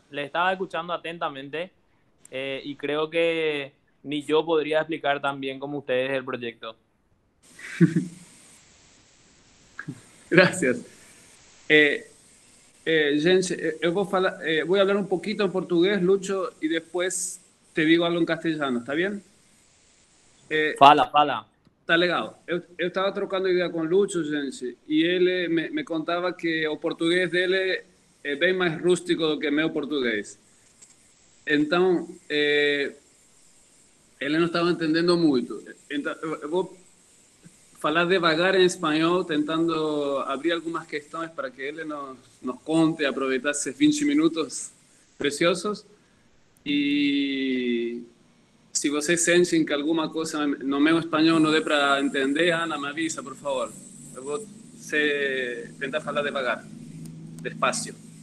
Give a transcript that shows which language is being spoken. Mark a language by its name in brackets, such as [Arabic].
[Spanish] Le estaba escuchando atentamente y creo que ni yo podría explicar tan bien como ustedes el proyecto. Gracias. Gente, voy a hablar un poquito en portugués, Lucho, y después te digo algo en castellano, ¿está bien? [Portuguese] Fala, fala. Está legal. Eu estava trocando ideia com Lucho, gente, e ele me contava que o português dele é bem mais rústico do que meu português. Então, ele não estava entendendo muito. Então, eu vou falar devagar em espanhol, tentando abrir algumas questões para que ele nos conte, aproveitar esses 20 minutos preciosos. [Spanish] Si ustedes sienten que alguna cosa en no mi español no dé para entender, Ana, me avisa, por favor. Voy a intentar hablar devagar, despacio.